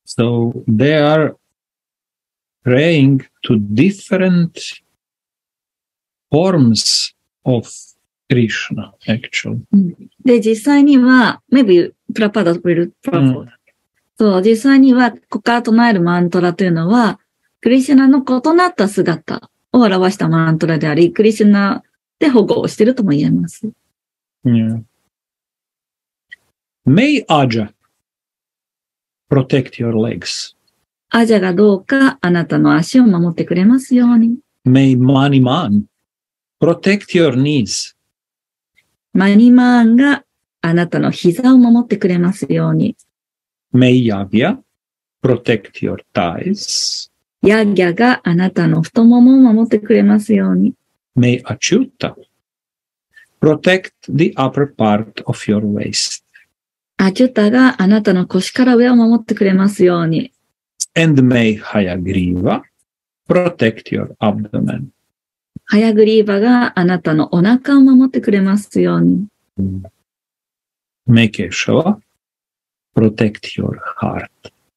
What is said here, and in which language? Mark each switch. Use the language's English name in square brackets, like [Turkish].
[English] So, they are praying to different forms of Krishna, actually. [Japanese] で、実際には、 [English] maybe, [Japanese] プラパダ、プラパダ。そう、実際には、ここから唱えるマントラというのは、クリシュナの異なった姿を表したマントラであり、クリシュナで保護をしているとも言えます。 [English] May Aja protect your legs. [Japanese] アジャがどうかあなたの足を守ってくれますように。 [English] May Mani Man protect your knees. [Japanese] マニマーンがあなたの膝を守ってくれますように。 [English] May Yavya protect your thighs. [Japanese] ヤギャがあなたの太ももを守ってくれますように。 [English] May Achyuta protect the upper part of your waist. [Japanese] アチュタがあなたの腰から上を守ってくれますように。 [English] And may Hayagriva protect your abdomen. [Japanese] ハヤグリーバがあなたのお腹を守ってくれますように。 [English] メケシャバ、プロテクトヨーハート。